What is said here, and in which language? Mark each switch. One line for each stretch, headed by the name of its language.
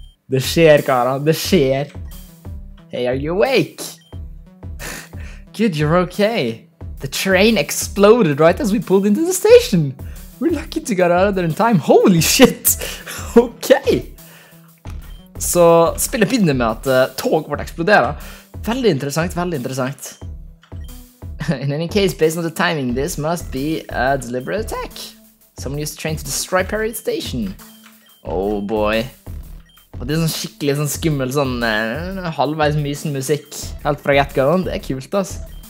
Norwegian: Det skjer, Kara, det skjer!
English: Hey, are you awake? Good, you're okay. The train exploded right as we pulled into the station. We're lucky to get out of there in time. Holy shit! Okay!
Norwegian: Så spillet begynner med at toget ble eksploderet. Veldig interessant, veldig interessant.
English: In any case, based on the timing, this must be a deliberate attack. Someone used the train to destroy Perry Station. Oh boy.
Norwegian: Og det er sånn skikkelig sånn skummel, sånn halvveis mysen musikk. Helt fra get-go, det er kult, ass.